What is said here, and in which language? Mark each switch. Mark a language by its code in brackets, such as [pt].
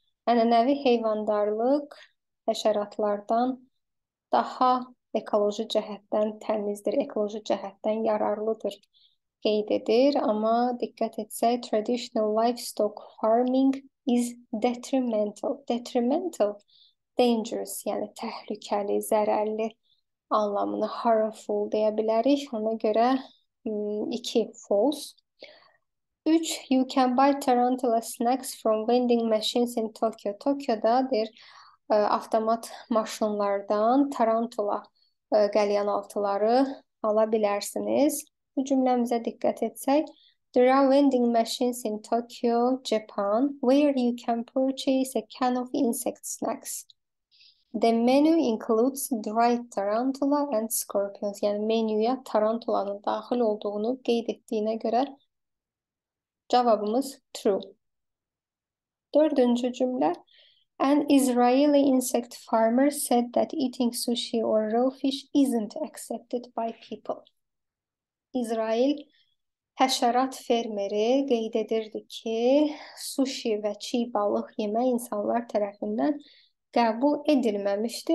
[az] Ənənəvi heyvandarlıq həşəratlardan daha ekoloji cəhətdən təmizdir, ekoloji cəhətdən yararlıdır qeyd edir. Amma diqqət etsək, [en] traditional livestock farming is detrimental. [az] Detrimental, dangerous, yəni təhlükəli, zərərli anlamını harmful deyə bilərik. Ona görə 2 false. 3. [en] You can buy tarantula snacks from vending machines in Tokyo. [az] Tokyo'da bir avtomat maşınlardan tarantula qəlyanaltıları ala bilərsiniz. Bu cümləmizə diqqət etsək. [en] There are vending machines in Tokyo, Japan, where you can purchase a can of insect snacks. The menu includes dried tarantula and scorpions. [az] Yəni menüyə tarantulanın daxil olduğunu qeyd etdiyinə görə cavabımız true. Dördüncü cümlə. [en] An Israeli insect farmer said that eating sushi or raw fish isn't accepted by people. İsrail [az] Həşərat fermeri qeyd edirdi ki, suşi və çiğ balıq yemək insanlar tərəfindən qəbul edilməmişdi.